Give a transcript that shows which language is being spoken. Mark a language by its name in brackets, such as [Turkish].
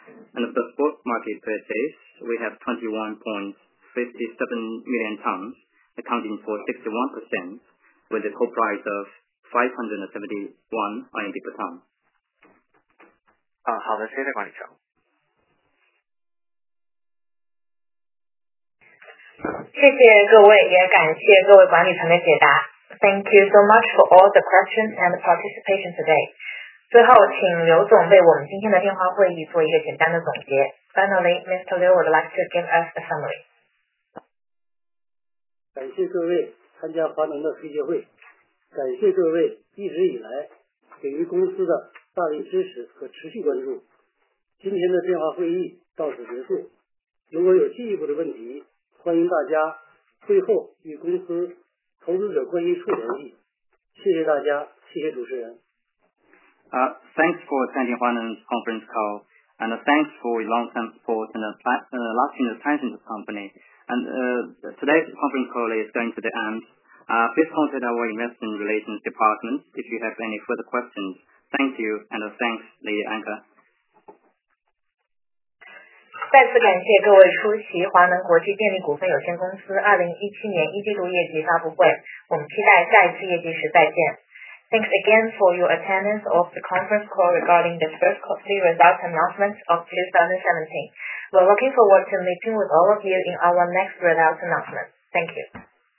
[English] And for the spot market purchase, we have 21.57 million tons, accounting for 61% with a coal price of 571 RMB per ton. [Chinese] 好的，谢谢管理层。谢谢各位，也感谢各位管理层的解答。 [English] Thank you so much for all the questions and participation today. [Chinese] 最后，请刘总为我们今天的电话会议做一个简单的总结。 [English] Finally, Mr. Liu would like to give us a summary. [Chinese] 感谢各位参加华能的推介会，感谢各位一直以来给予公司的大力支持和持续关注。今天的电话会议到此结束，如果有进一步的问题，欢迎大家会后与公司投资者关系处联系。谢谢大家，谢谢主持人。 [English] Thanks for attending Huaneng's conference call, and thanks for your long-term support and lasting attention to the company. And today's conference call is going to the end. Please contact our investment relations department if you have any further questions. Thank you, and thanks, the anchor. [Chinese] 再次感谢各位出席华能国际电力股份有限公司2017年一季度业绩发布会，我们期待下一次业绩时再见。 [English] Thanks again for your attendance of the conference call regarding the first quarterly results announcements of 2017. We're looking forward to meeting with all of you in our next results announcement. Thank you.